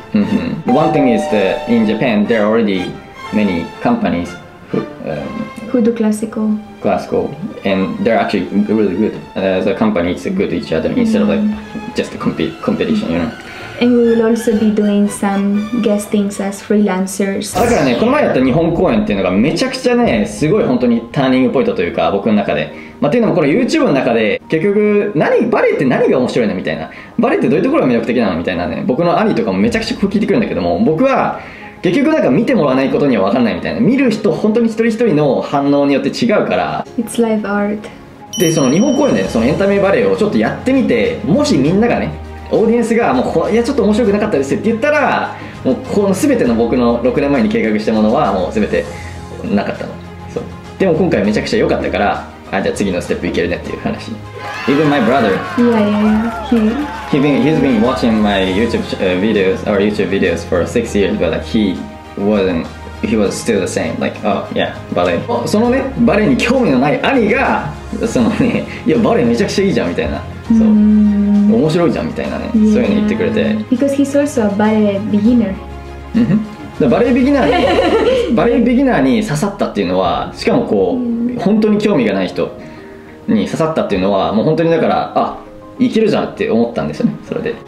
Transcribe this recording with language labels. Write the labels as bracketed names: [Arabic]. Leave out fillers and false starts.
[English] mm-hmm. one thing is that in Japan there are already many companies who do classical and they're actually really good as a company it's a good each other instead of like just a competition you know And we will also be doing some guest things as freelancers. [Japanese] だからね、この前やった日本公演っていうのがめちゃくちゃね、すごい本当にターニングポイントというか、僕の中で。まあ、っていうのもこれ YouTube の中で結局何バレエって何が面白いのみたいな、バレエってどういうところが魅力的なのみたいなね、僕の兄とかもめちゃくちゃ聞いてくるんだけども、僕は結局なんか見てもらわないことには分かんないみたいな、見る人本当に一人一人の反応によって違うから、 [English] It's live art。 [Japanese] でその日本公演でそのエンタメバレエをちょっとやってみて、もしみんながね、オーディエンスがもういやちょっと面白くなかったですって言ったら、もうこの全ての僕の6年前に計画したものはもう全てなかったの。そう、でも今回めちゃくちゃ良かったから、あ、じゃあ次のステップいけるねっていう話。 [English] Even my brother. He's been watching my YouTube videos or YouTube videos for 6 years, but like he was still the same. Like, oh yeah, ballet. [Japanese] そのね、バレエに興味のない兄がそのね、いやバレエめちゃくちゃいいじゃんみたいな、そう、 mm-hmm. 面白いじゃんみたいなね、そういうの言ってくれて。 [English] Because he's also a ballet beginner. [Japanese] バレエビギナーに刺さったっていうのは、しかもこう、本当に興味がない人に刺さったっていうのは、もう本当にだから、あ、いけるじゃんって思ったんですよね、それで。